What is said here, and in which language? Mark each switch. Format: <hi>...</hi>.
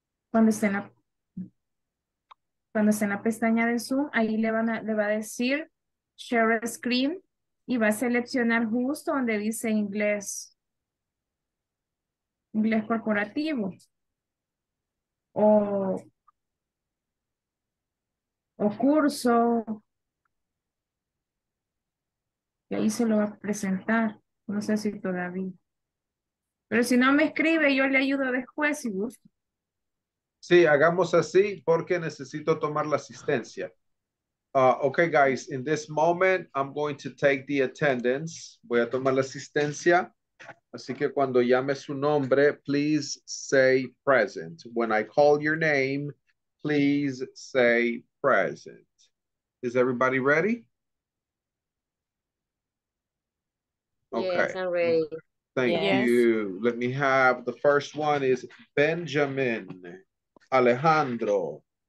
<es>Cuando esté en la pestaña de Zoom, ahí le va a decir share screen y va a seleccionar justo donde dice inglés corporativo o curso, y ahí se lo va a presentar. No sé si todavía, pero si no me escribe, yo le ayudo después si gusta. Sí, hagamos así porque necesito tomar la asistencia.</es> <en>Okay, guys, in this moment, I'm going to take the attendance.</en> <es>Voy a tomar la asistencia. Así que cuando llame su nombre,</es> <en>please say present. When I call your name, please say present. Is everybody ready? Okay. Yes, I'm ready. Thank you. Let me have the first one is Benjamin Alejandro.</en>